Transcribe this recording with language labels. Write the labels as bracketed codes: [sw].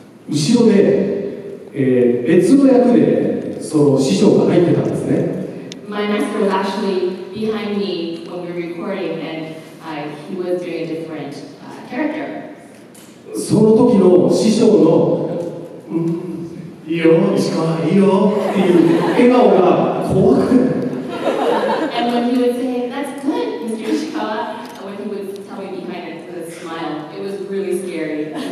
[ja] 後ろで別の役でその師匠が入ってたんですね。 [en] My master was actually behind me when we were recording and he was doing a different character. [ja] その時の師匠の「いいよ石川いいよ」っていう笑顔が怖くて。 [en] And when he would say, "That's good, Mr. Ishikawa," when he would tell me behind it with a smile, it was really scary.